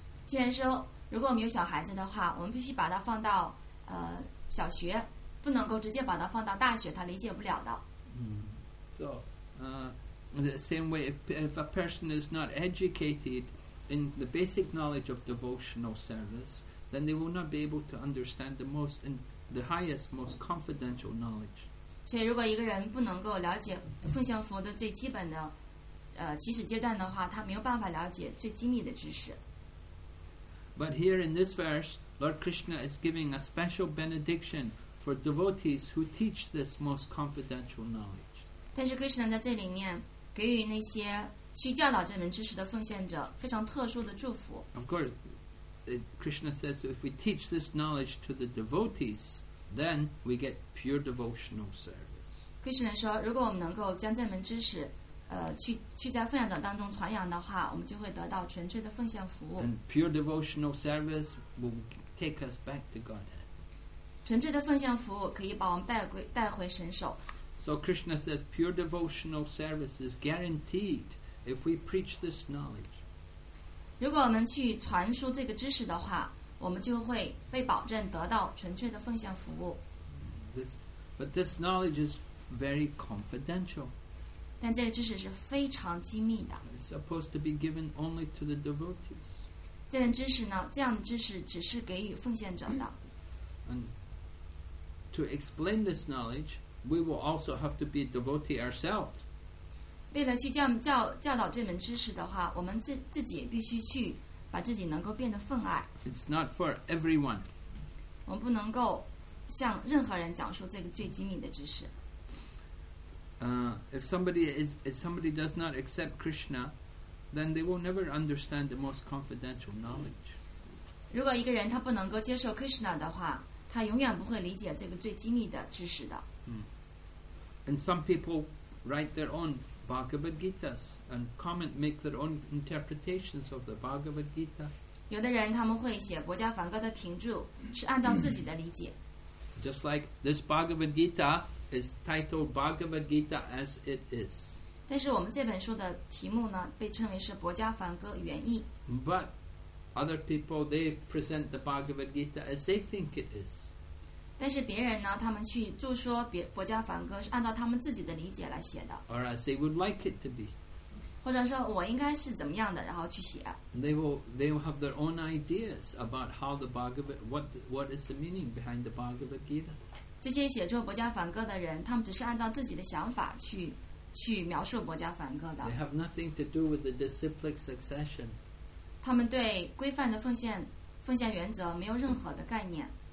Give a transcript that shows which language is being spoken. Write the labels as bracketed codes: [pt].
[zh] 既然说如果我们有小孩子的话，我们必须把它放到小学。不能够直接把它放到大学，他理解不了的。 [en] The same way, if a person is not educated in the basic knowledge of devotional service, then they will not be able to understand the highest, most confidential knowledge. [zh] 所以，如果一个人不能够了解奉献服务的最基本的起始阶段的话，他没有办法了解最机密的知识。 [en] But here in this verse, Lord Krishna is giving a special benediction. For devotees who teach this most confidential knowledge. [zh] 但是 Krishna 在这里面给予那些需教导这门知识的奉献者非常特殊的祝福。 [en] Of course, Krishna says if we teach this knowledge to the devotees, then we get pure devotional service. [zh] Krishna 说，如果我们能够将这门知识，去在奉献者当中传扬的话，我们就会得到纯粹的奉献服务。 [en] And pure devotional service will take us back to Godhead. [zh] 纯粹的奉献服务可以把我们带回神首。 [en] So Krishna says, pure devotional service is guaranteed if we preach this knowledge. [zh] 如果我们去传输这个知识的话，我们就会被保证得到纯粹的奉献服务。 [en] But this knowledge is very confidential. [zh] 但这个知识是非常机密的。 [en] It's supposed to be given only to the devotees. [zh] 这样知识呢？这样的知识只是给予奉献者的。 [en] And to explain this knowledge, we will also have to be a devotee ourselves. [zh] 为了去教导这门知识的话，我们自己必须去把自己能够变得分爱。 [en] It's not for everyone. [zh] 我们不能够向任何人讲述这个最机密的知识。 [en] If somebody does not accept Krishna, then they will never understand the most confidential knowledge. [zh] 如果一个人他不能够接受 Krishna 的话，他永远不会理解这个最机密的知识的。 [en] And some people write their own Bhagavad Gitas and comment, make their own interpretations of the Bhagavad Gita. [zh] 有的人他们会写薄伽梵歌的评注，是按照自己的理解。 [en] Just like this Bhagavad Gita. Is titled Bhagavad Gita as it is. [zh] 但是我们这本书的题目呢，被称为是《薄伽梵歌原意》。 [en] But other people they present the Bhagavad Gita as they think it is. [zh] 但是别人呢，他们去就说薄伽梵歌是按照他们自己的理解来写的。 [en] Or as they would like it to be. [zh] 或者说我应该是怎么样的，然后去写。 [en] They will have their own ideas about how the Bhagavad what is the meaning behind the Bhagavad Gita. [zh] 这些写作薄伽梵歌的人，他们只是按照自己的想法去描述薄伽梵歌的。 [en] They have nothing to do with the disciplic succession. [zh] 他们对规范的奉献原则没有任何的概念。